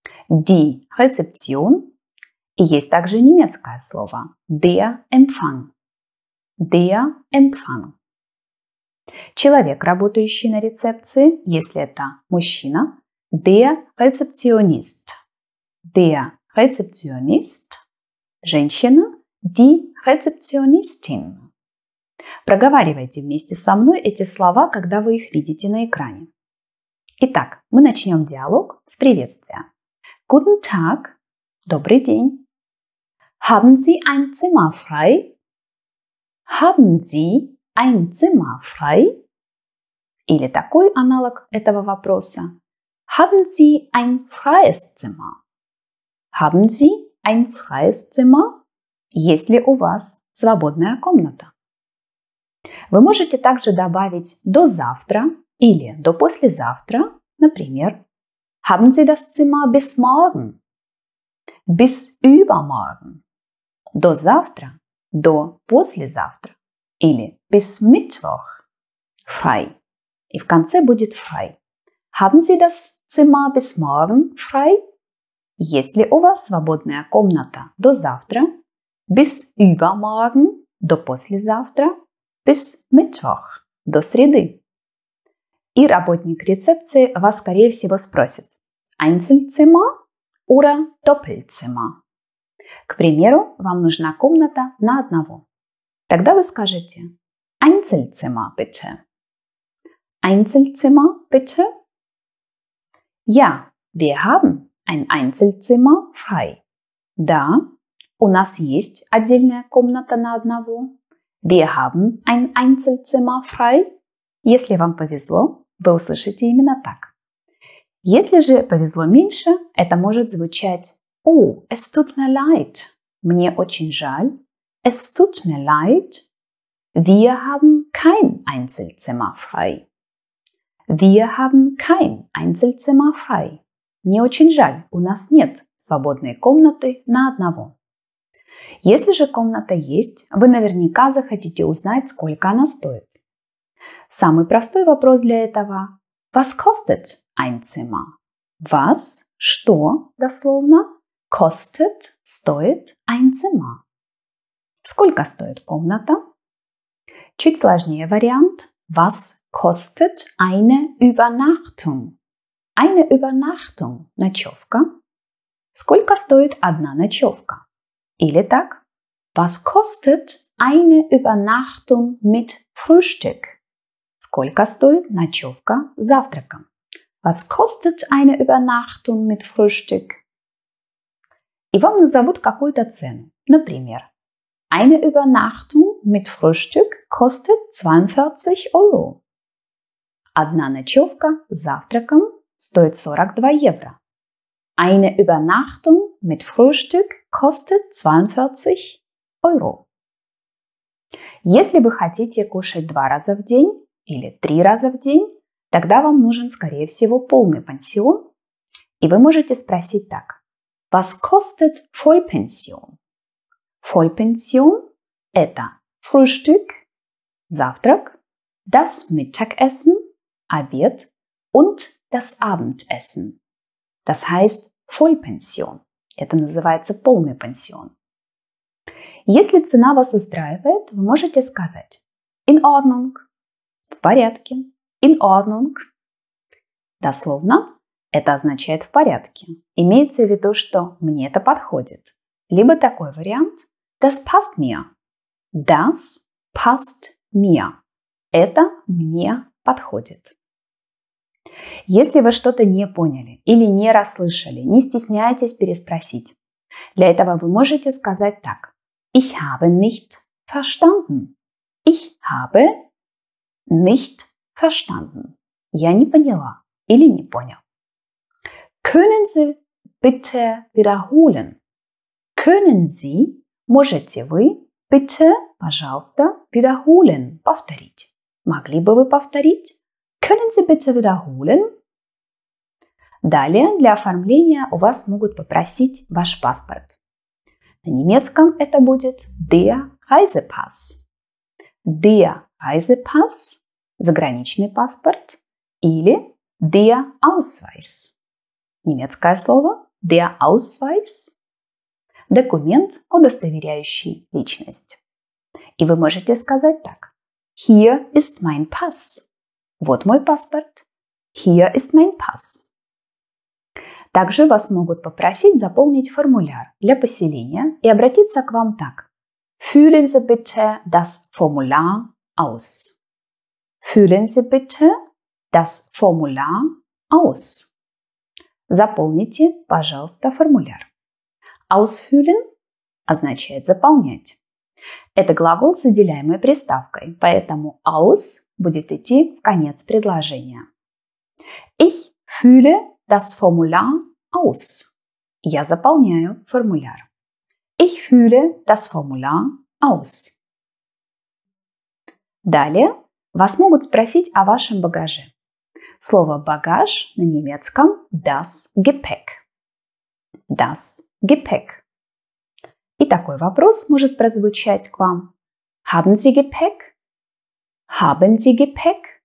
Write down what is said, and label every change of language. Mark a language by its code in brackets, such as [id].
[de] Die Rezeption. [ru] И есть также немецкое слово der Empfang. [de] Der Empfang. [ru] Человек, работающий на рецепции, если это мужчина, der Rezeptionist. [de] Der Rezeptionist. [ru] Женщина, die Rezeptionistin. Проговаривайте вместе со мной эти слова, когда вы их видите на экране. Итак, мы начнем диалог с приветствия. [de] Guten Tag. [ru] Добрый день. [de] Haben Sie ein Zimmer frei? Haben Sie ein Zimmer frei? [ru] Или такой аналог этого вопроса. [de] Haben Sie ein freies Zimmer? Haben Sie ein freies Zimmer? [ru] Есть ли у вас свободная комната? Вы можете также добавить до завтра или до послезавтра, например. [de] Haben Sie das Zimmer bis morgen? Bis übermorgen. [ru] До завтра, до послезавтра или [de] bis Mittwoch. Frei. [ru] И в конце будет frei. [de] Haben Sie das Zimmer bis morgen frei? [ru] Есть ли у вас свободная комната до завтра? [de] Bis übermorgen, [ru] до послезавтра. [de] Bis Mittwoch, [ru] до среды. И работник рецепции вас, скорее всего, спросит. [de] Einzelzimmer oder Doppelzimmer? [ru] К примеру, вам нужна комната на одного. Тогда вы скажете. [de] Einzelzimmer, bitte. Einzelzimmer, bitte. Ja, wir haben ein Einzelzimmer frei. [ru] Да, у нас есть отдельная комната на одного. [de] Wir haben ein Einzelzimmer frei. [ru] Если вам повезло, вы услышите именно так. Если же повезло меньше, это может звучать «О, [de] es tut mir leid». [ru] Мне очень жаль. [de] Es tut mir leid. Wir haben kein Einzelzimmer frei. Wir haben kein Einzelzimmer frei. [ru] Мне очень жаль, у нас нет свободной комнаты на одного. Если же комната есть, вы наверняка захотите узнать, сколько она стоит. Самый простой вопрос для этого. [de] Was kostet ein Zimmer? Was, [ru] что, дословно, [de] kostet, [ru] стоит [de] ein Zimmer? [ru] Сколько стоит комната? Чуть сложнее вариант. [de] Was kostet eine Übernachtung? Eine Übernachtung, [ru] ночевка. Сколько стоит одна ночевка? Или так, [de] was kostet eine Übernachtung mit Frühstück? [ru] Сколько стоит ночевка с завтраком? [de] Was kostet eine Übernachtung mit Frühstück? [ru] И вам назовут какую-то цену. Например, [de] eine Übernachtung mit Frühstück kostet 42 Euro. [ru] Одна ночевка с завтраком стоит 42 евро. [de] Eine Übernachtung mit Frühstück kostet 42 Euro. [ru] Если вы хотите кушать два раза в день или три раза в день, тогда вам нужен, скорее всего, полный пансион. И вы можете спросить так. [de] Was kostet Vollpension? Vollpension – [ru] это [de] Frühstück, [ru] завтрак, [de] das Mittagessen, [ru] обед [de] und das Abendessen. Das heißt Vollpension. [ru] Это называется полный пансион. Если цена вас устраивает, вы можете сказать [de] in Ordnung [ru] – в порядке. [de] In Ordnung. [ru] Дословно, это означает в порядке. Имеется в виду, что мне это подходит. Либо такой вариант. [de] Das passt mir. Das passt mir. [ru] Это мне подходит. Если вы что-то не поняли или не расслышали, не стесняйтесь переспросить. Для этого вы можете сказать так. [de] Ich habe nicht verstanden. Ich habe nicht verstanden. [ru] Я не поняла или не понял. [de] Können Sie bitte wiederholen? Können Sie, [ru] можете вы, [de] bitte, [ru] пожалуйста, [de] wiederholen, [ru] повторить. Могли бы вы повторить? [de] Können Sie bitte wiederholen? [ru] Далее, для оформления у вас могут попросить ваш паспорт. На немецком это будет der Reisepass. [de] Der Reisepass. [ru] Заграничный паспорт или der Ausweis. Немецкое слово der Ausweis. Документ, удостоверяющий личность. И вы можете сказать так. [de] Hier ist mein Pass. [ru] Вот мой паспорт. [de] Hier ist mein Pass. [ru] Также вас могут попросить заполнить формуляр для поселения и обратиться к вам так. [de] Füllen Sie bitte das Formular aus. Füllen Sie bitte das Formular aus. [ru] Заполните, пожалуйста, формуляр. Ausfüllen означает заполнять. Это глагол с отделяемой приставкой, поэтому aus будет идти в конец предложения. [de] Ich fülle das Formular aus. [ru] Я заполняю формуляр. [de] Ich fülle das Formular aus. [ru] Далее. Вас могут спросить о вашем багаже. Слово «багаж» на немецком «das Gepäck». [de] Das Gepäck. [ru] И такой вопрос может прозвучать к вам. [de] Haben Sie Gepäck? Haben Sie Gepäck?